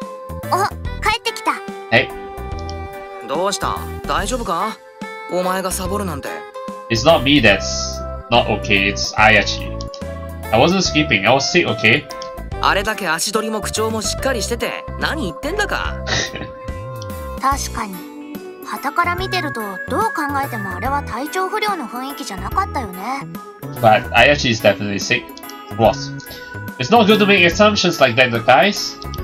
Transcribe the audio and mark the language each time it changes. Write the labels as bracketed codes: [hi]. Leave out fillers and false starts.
[ja] お、帰ってきた. [en] Hey. [ja] どうした?大丈夫か?お前がサボるなんて. [en] It's not me that's not okay, it's Ayachi. I wasn't skipping, I was sick, okay? [ja] あれだけ足取りも口調もしっかりしてて、何言ってんだか? 確かに、旗から見てると、どう考えてもあれは体調不良の雰囲気じゃなかったよね。 [en] But Ayachi is definitely sick. Boss. It's not good to make assumptions like that, guys.